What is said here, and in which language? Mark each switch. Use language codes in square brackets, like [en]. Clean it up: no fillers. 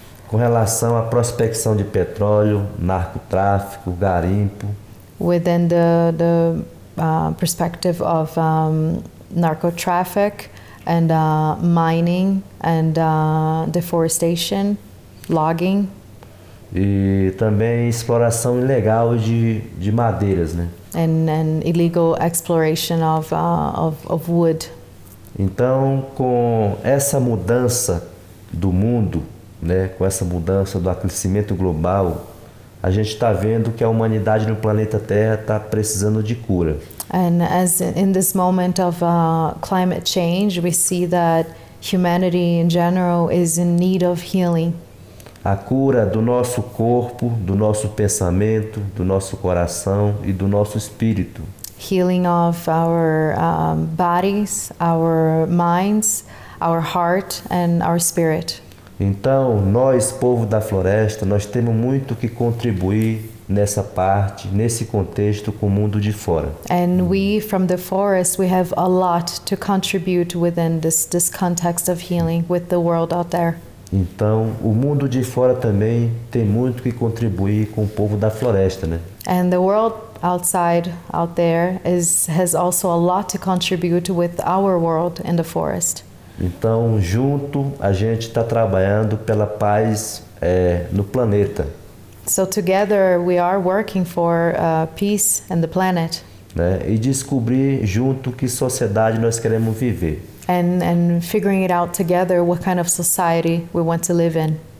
[pt] Com relação à prospecção de petróleo, narcotráfico, garimpo. [en] Within the perspective of narcotraffic and mining and deforestation, logging. [pt] E também exploração ilegal de madeiras, né? [en] And illegal exploration of wood. [pt] Então, com essa mudança do mundo, né, com essa mudança do aquecimento global, a gente está vendo que a humanidade no planeta Terra está precisando de cura. [en] And as in this moment of climate change, we see that humanity in general is in need of healing. [pt] A cura do nosso corpo, do nosso pensamento, do nosso coração e do nosso espírito. [en] Healing of our bodies, our minds, our heart and our spirit. [pt] Então, nós, povo da floresta, nós temos muito que contribuir nessa parte, nesse contexto com o mundo de fora. [en] And we from the forest, we have a lot to contribute within this context of healing with the world out there. [pt] Então, o mundo de fora também tem muito que contribuir com o povo da floresta, né? [en] And the world outside, out there, has also a lot to contribute with our world in the forest. [pt] Então, junto, a gente está trabalhando pela paz no planeta. [en] So together, we are working for peace in the planet. Né? [pt] E descobrir junto que sociedade nós queremos viver. [en] And figuring it out together what kind of society we want to live in.